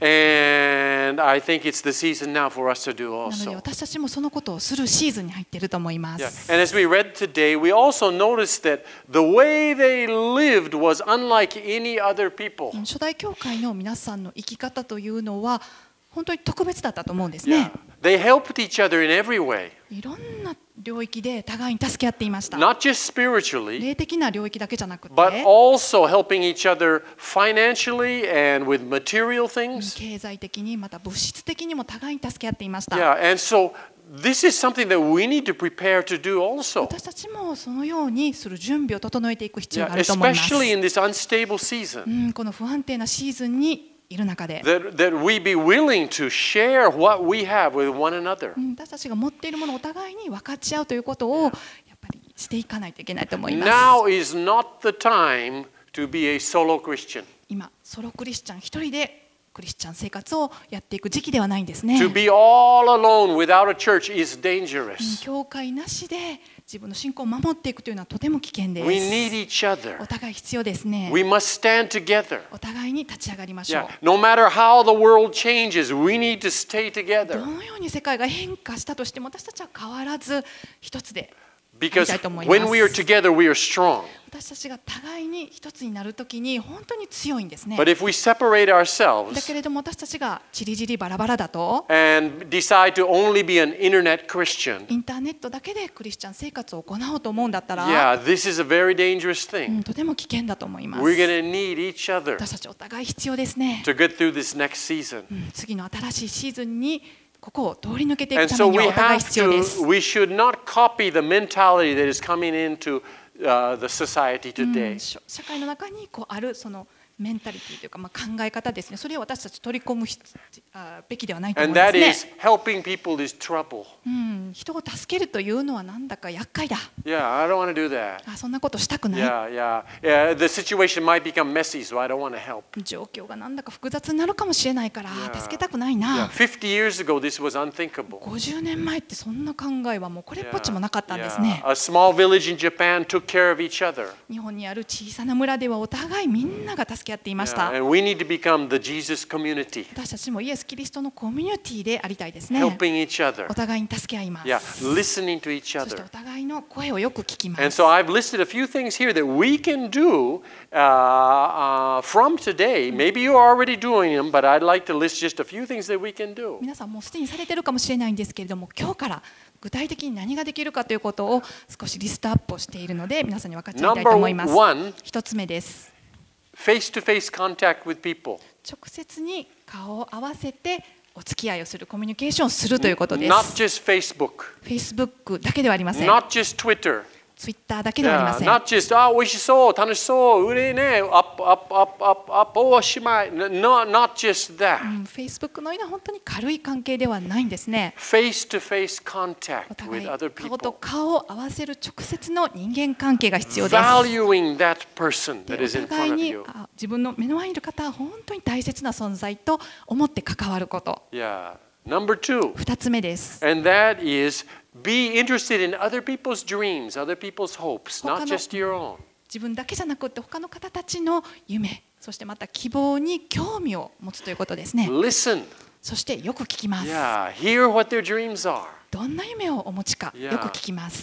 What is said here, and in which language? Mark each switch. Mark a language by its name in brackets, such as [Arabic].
[English] And I think it's the season now for us to do also. [Japanese] なので私たちもそのことをするシーズンに入っていると思います。 [English] Yeah. And as we read today, we also noticed that the way they lived was unlike any other people. [Japanese] 初代教会の皆さんの生き方というのは本当に特別だったと思うんですね。 [English] Yeah. They helped each other in every way. [Japanese] いろんな領域で互いに助け合っていました。 [English] Not just spiritually, [Japanese] 霊的な領域だけじゃなくて、 [English] but also helping each other financially and with material things. [Japanese] 経済的にまた物質的にも互いに助け合っていました。 [English] Yeah, and so this is something that we need to prepare to do also. [Japanese] 私たちもそのようにする準備を整えていく必要があると思います。 [English] Yeah, especially in this unstable season. [Japanese] この不安定なシーズンにいる中で、 [English] that we be willing to share what we have with one another. [Japanese] 私たちが持っているものをお互いに分かち合うということをやっぱりしていかないといけないと思います。 [English] Now is not the time to be a solo Christian. [Japanese] 今、ソロクリスチャン一人でクリスチャン生活をやっていく時期ではないんですね。 [English] To be all alone without a church is dangerous. [Japanese] 教会なしで自分の信仰を守っていくというのはとても危険です。 [English] We need each other. [Japanese] お互い必要ですね。 [English] We must stand together. [Japanese] お互いに立ち上がりましょう。 [English] Yeah. No matter how the world changes, we need to stay together. [Japanese] どのように世界が変化したとしても私たちは変わらず一つでいきたいと思います。 [English] When we are together, we are strong. [Japanese] 私たちが互いに一つになるときに本当に強いんですね。 [English] But if we separate ourselves, [Japanese] だけれども私たちがちりぢりバラバラだと、 [English] and decide to only be an internet Christian, [Japanese] インターネットだけでクリスチャン生活を行おうと思うんだったら、 [English] yeah, this is a very dangerous thing. [Japanese] とても危険だと思います。 [English] We're gonna need each other. [Japanese] 私たちお互い必要ですね。 [English] To get through this next season. [Japanese] 次の新しいシーズンに。ここを通り抜けていくためにお互い必要です。社会の中にこうあるそのメンタリティというかまあ考え方ですね。それを私たち取り込むべきではないと思いますね。 [English] And that is helping people is trouble. [Japanese] 人を助けるというのはなんだか厄介だ。 [English] Yeah, I don't want to do that. [Japanese] あ、そんなことしたくない。 [English] Yeah, yeah. Yeah, the situation might become messy, so I don't want to help. [Japanese] 状況がなんだか複雑になるかもしれないから、助けたくないな。 [English] Yeah. 50 years ago, this was unthinkable. [Japanese] 50年前ってそんな考えはもうこれっぽっちもなかったんですね。 [English] Yeah. Yeah. A small village in Japan took care of each other. [Japanese] 日本にある小さな村ではお互いみんなが助け合っていました。 [English] Yeah. And we need to become the Jesus community. [Japanese] 私たちもイエスキリストのコミュニティでありたいですね。 [English] Helping each other. [Japanese] お互いに助け合います。 [English] Yeah. Listening to each other. [Japanese] そしてお互いの声をよく聞きます。 [English] And so I've listed a few things here that we can do from today. Maybe you're already doing them, but I'd like to list just a few things that we can do. [Japanese] 皆さんもうすでにされているかもしれないんですけれども、今日から具体的に何ができるかということを少しリストアップをしているので、皆さんに分かっていただきたいと思います。 [English] Number one. [Japanese] 一つ目です。 [English] Face-to-face contact with people. [Japanese] 直接に顔を合わせて。お付き合いをするコミュニケーションをするということです。 [English] Not just Facebook. [Japanese] Facebook だけではありません。 [English] Not just Twitter. [Japanese] ツイッターだけではありません。 [English] Yeah, not just, oh, [Japanese] 美味しそう、楽しそう、うれね、 [English] up, [Japanese] おしまい。 [English] Not just that. [Japanese] Facebook のような本当に軽い関係ではないんですね。 [English] Face to face contact with other people. [Japanese] 顔と顔を合わせる直接の人間関係が必要です。 [English] Valuing that person that is in front of you. [Japanese] お互いに自分の目の前にいる方は本当に大切な存在と思って関わること。 [English] Yeah. Number two. [Japanese] 二つ目です。 [English] And that is. Be interested in other people's dreams, other people's hopes, not just your own. [Japanese] 自分だけじゃなくて他の方たちの夢、そしてまた希望に興味を持つということですね。 [English] Listen. [Japanese] そしてよく聞きます。 [English] Yeah, hear what their dreams are. [Japanese] どんな夢をお持ちかよく聞きます。